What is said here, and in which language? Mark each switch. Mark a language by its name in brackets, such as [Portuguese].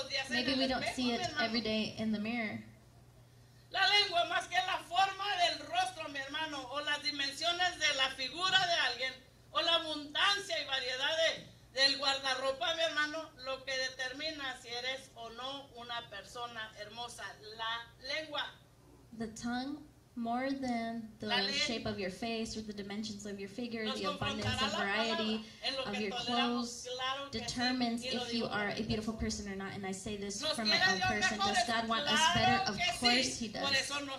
[English] Maybe we don't see it every day in the mirror. [Spanish] La lengua más que la forma del rostro, mi hermano, o las dimensiones de la figura de alguien, o la abundancia y variedad del guardarropa, mi hermano, lo que determina si eres o no una persona hermosa. La lengua. [English] The tongue, more than the shape of your face or the dimensions of your figure, the abundance and variety of your clothes, determines if you are a beautiful person or not. And I say this from my own person. Does God want us better? Of course he does.